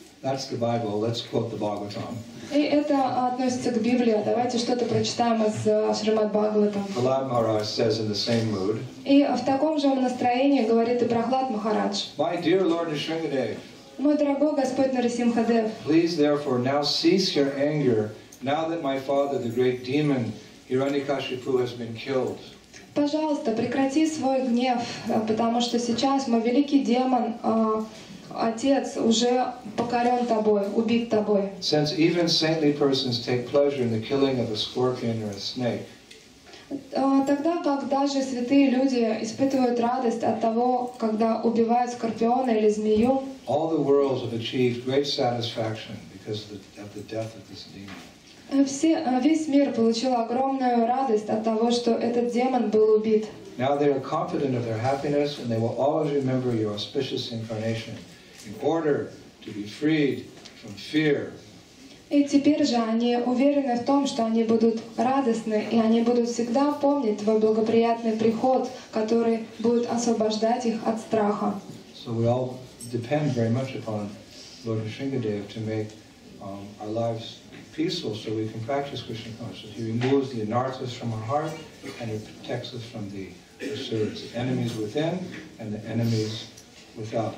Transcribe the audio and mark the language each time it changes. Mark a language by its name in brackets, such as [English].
[English] That's the Bible. Let's quote the Bhagavatam. [Russian] И это относится к Библии. Давайте что-то прочитаем из Шримад Бхагаватам. [English] Prahlad Maharaj says in the same mood. [Russian] И в таком же настроении говорит и Прохлад Махарадж. [English] My dear Lord Нисхангадев. [Russian] Мой дорогой Господь Нарасимхадев. [English] Please, therefore, now cease your anger, now that my father, the great demon Hiranyakashipu, has been killed. [Russian] Пожалуйста, прекрати свой гнев, потому что сейчас мой великий демон. Отец уже покорен тобой, убит тобой. [English] Since even saintly persons take pleasure in the killing of a scorpion or a snake. [Russian] Тогда, как даже святые люди испытывают радость от того, когда убивают скорпиона или змею. [English] All the worlds have achieved great satisfaction because of the death of this demon. [Russian] Весь мир получил огромную радость от того, что этот демон был убит. [English] Now they are confident of their happiness and they will always remember your auspicious incarnation. In order to be freed from fear. [Russian] И теперь же они уверены в том, что они будут радостны, и они будут всегда помнить твой благоприятный приход, который будет освобождать их от страха. [English] So we all depend very much upon Lord Nisringadev to make our lives peaceful so we can practice Krishna consciousness. He removes the anarthas from our heart and he protects us from the asuras, enemies within and the enemies without.